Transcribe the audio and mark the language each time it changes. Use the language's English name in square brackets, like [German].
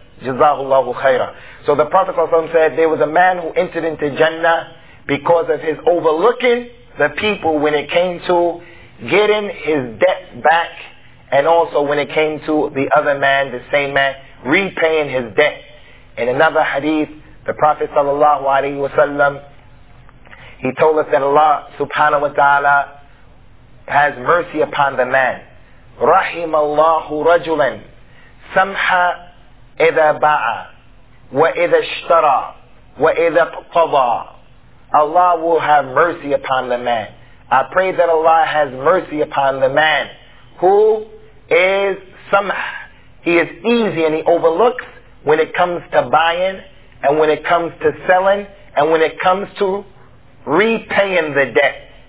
[English] Jazahullahu khairah. So the Prophet ﷺ said, there was a man who entered into Jannah because of his overlooking the people when it came to getting his debt back, and also when it came to the other man, the same man, repaying his debt. In another hadith, the Prophet sallallahu alaihi wasallam, he told us that Allah subhanahu wa ta'ala has mercy upon the man. [Arabic] رحم الله رجلا سمحا إذا باع وإذا اشترى وإذا اقتضى. [English] Allah will have mercy upon the man. I pray that Allah has mercy upon the man who is samh. He is easy and he overlooks when it comes to buying and when it comes to selling and when it comes to repaying the debt.